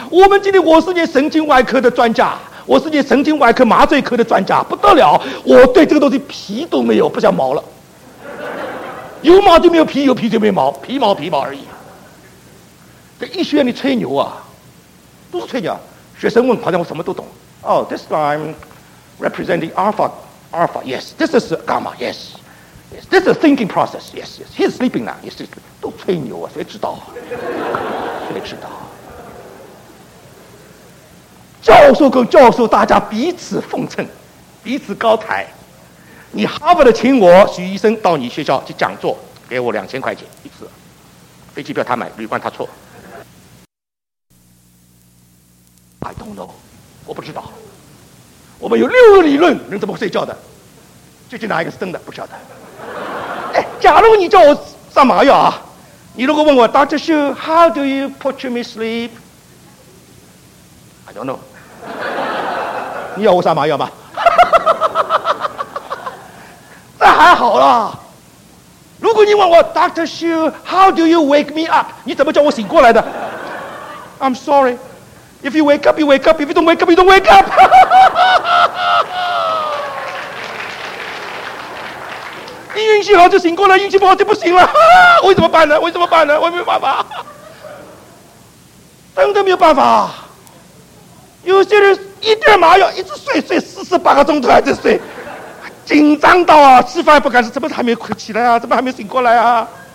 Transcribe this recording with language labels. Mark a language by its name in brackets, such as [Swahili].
[Chinese] 我们今天我是你神经外科的专家，我是你神经外科麻醉科的专家，不得了！我对这个东西皮都没有，不像毛了。有毛就没有皮，有皮就没有毛，皮毛皮毛而已。这医学院里吹牛啊，不是吹牛，学生问好像我什么都懂。 [English] Oh, this time representing alpha, yes. This is gamma, yes. Yes, this is a thinking process. Yes, yes. He's sleeping now. Yes, yes. [Chinese] 都吹牛啊，谁知道？谁知道？教授跟教授大家彼此奉承，彼此高抬。你哈佛的请我许医生到你学校去讲座，给我2000块钱一次，飞机票他买，旅馆他出。 [English] I don't know. [Chinese] 我不知道。我们有6个理论，人怎么会睡觉的？就去拿一个灯的，不晓得。哎，假如你叫我上麻药啊，你如果问我 Dr. [English] Xu, how do you put me sleep? I don't know. [Chinese] 你要我上麻药吗？这还好啦。如果你问我 Dr. [English] Xu, how do you wake me up? [Chinese] 你怎么叫我醒过来的？ [English] I'm sorry. If you wake up, you wake up. If you don't wake up, you don't wake up. [Chinese] You 运气好就醒过了，运气不好就不醒了。我怎么办呢？我怎么办呢？我没办法。真的没有办法。有些人一点麻药一直睡，睡48个钟头还在睡，紧张到啊，吃饭不敢吃，怎么还没快起来啊？怎么还没醒过来啊？